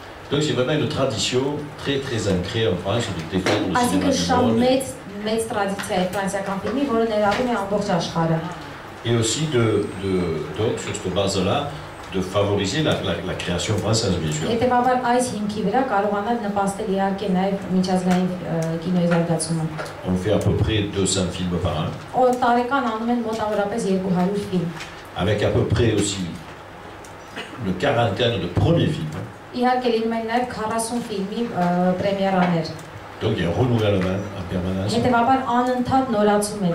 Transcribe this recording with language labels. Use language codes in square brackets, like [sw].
[fr] Donc c'est vraiment une tradition très très ancrée en France de défendre le cinéma. [hy] Մեծ տրադիցիա է ֆրանսիական ֆիլմի, որը ներառում է ամբողջ աշխարհը։ [fr] Et aussi de donc sur cette base-là de favoriser la création française bien sûr. [hy] Հետևաբար այս հիմքի վրա կարողանալ նպաստել իհարկե նաև միջազգային կինոյի զարգացումը։ [fr] On fait à peu près 200 films par an. [hy] Օր տարեկան անում են մոտավորապես 200 ֆիլմ։ [fr] Avec à peu près aussi une quarantaine de premiers films. [hy] Իհարկե լինում են նաև 40 ֆիլմի պրեմիերաներ։ [fr] Donc il y a un renouvellement en permanence.